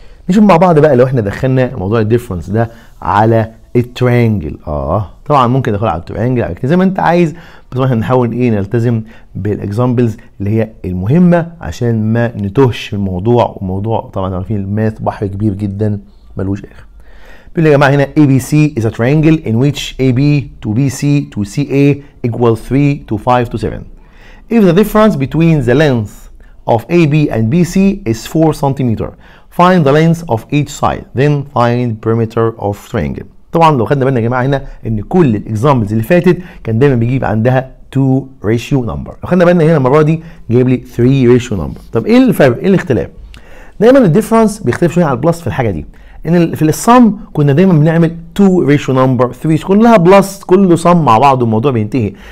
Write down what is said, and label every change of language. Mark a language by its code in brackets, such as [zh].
[ar] نشوف مع بعض بقى لو احنا دخلنا موضوع الديفرنس ده على الترينجل. طبعا ممكن ادخل على الترينجل على زي ما انت عايز بس احنا نحاول ايه نلتزم بالاكزامبلز اللي هي المهمة عشان ما نتوهش الموضوع. وموضوع طبعا عارفين الماث بحر كبير جدا ملوش اخر. بيقول يا جماعة هنا [en] ABC is a triangle in which AB to BC to CA equal 3 to 5 to 7. If the difference between the length of AB and BC is 4 cm, find the length of each side, then find perimeter of triangle. [ar] طبعا لو خدنا بالنا يا جماعه هنا ان كل الاكزامبلز اللي فاتت كان دايما بيجيب عندها 2 ريشيو نمبر. لو خدنا بالنا هنا المره دي جايب لي 3 ريشيو نمبر. طب ايه الفرق؟ ايه الاختلاف؟ دايما الديفرنس بيختلف شويه على البلس في الحاجه دي. ان في الصم كنا دايما بنعمل 2 ريشيو نمبر 3 كلها بلس كله صم مع بعض الموضوع بينتهي.